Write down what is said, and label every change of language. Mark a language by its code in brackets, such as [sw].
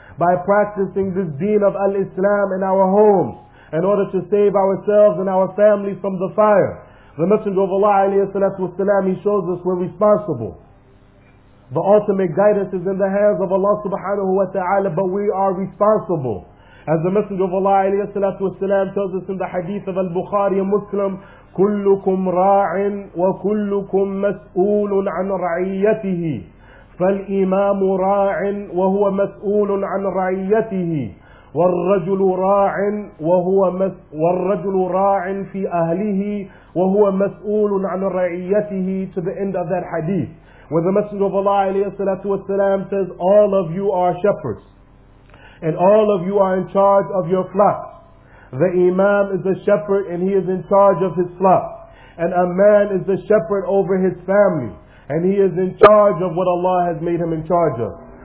[en] By practicing this deen of al-Islam in our homes in order to save ourselves and our families from the fire. The Messenger of Allah alayhi salatu wa sallam, He shows us we're responsible. The ultimate guidance is in the hands of Allah subhanahu wa ta'ala, but we are responsible. As the Messenger of Allah alayhi salatu wasalam tells us in the hadith of Al-Bukhari and Muslim, [ar] كلكم راع وكلكم مسؤول عن رعيته فالإمام راع وهو مسؤول عن رعيته والرجل راع وهو والرجل راع في أهله وهو مسؤول عن رعيته. [en] To the end of that hadith, where the Messenger of Allah alayhi salatu wasalam says, all of you are shepherds and all of you are in charge of your flock. The imam is a shepherd and he is in charge of his flock. And a man is the shepherd over his family. And he is in charge of what Allah has made him in charge of.